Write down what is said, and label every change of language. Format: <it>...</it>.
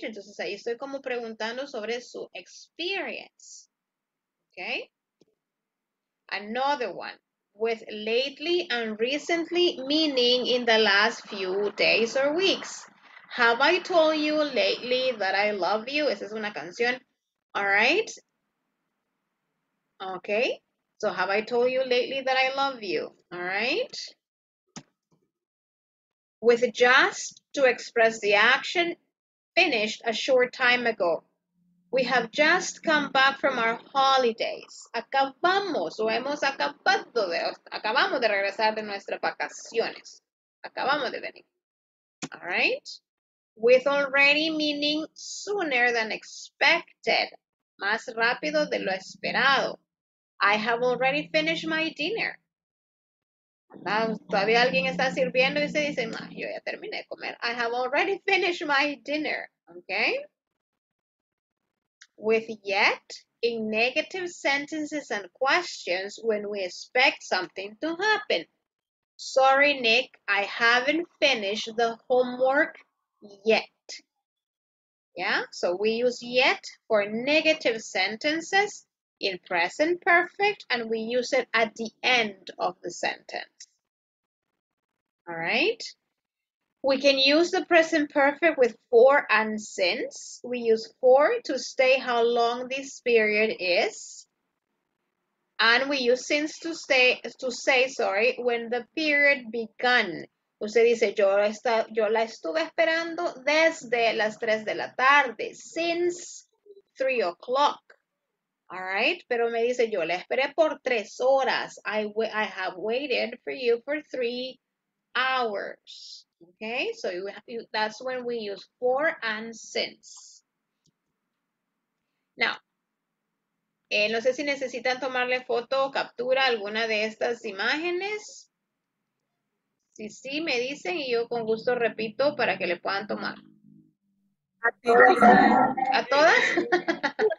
<es>Entonces, ahí estoy como preguntando sobre su experience.</es> <en>Okay. Another one. With lately and recently, meaning in the last few days or weeks. Have I told you lately that I love you?</en> <es>Esa es una canción.</es> <en>All right. Okay. So, have I told you lately that I love you? All right. With just to express the action finished a short time ago. We have just come back from our holidays.</en> <es>Acabamos o hemos acabado de, acabamos de regresar de nuestras vacaciones. Acabamos de venir.</es> <en>All right. With already meaning sooner than expected.</en> <es>Más rápido de lo esperado.</es> <en>I have already finished my dinner.</en> <es>Todavía alguien está sirviendo y se dice, yo ya terminé de comer.</es> <en>I have already finished my dinner. Okay. With yet, in negative sentences and questions, when we expect something to happen. Sorry, Nick, I haven't finished the homework yet. Yeah, so we use yet for negative sentences. In present perfect, and we use it at the end of the sentence. All right. We can use the present perfect with for and since. We use for to state how long this period is. And we use since to stay to say, sorry, when the period began.</en> <es>Usted dice, yo la estuve esperando desde las 3 de la tarde,</es> <en>since 3 o'clock. All right,</en> <es>pero me dice, yo la esperé por 3 horas.</es> <en>I have waited for you for 3 hours. Okay, so that's when we use for and since.</en> <es>Now, no sé si necesitan tomarle foto o captura alguna de estas imágenes. Sí, sí, me dicen y yo con gusto repito para que le puedan tomar. A todas. ¿A todas?</es>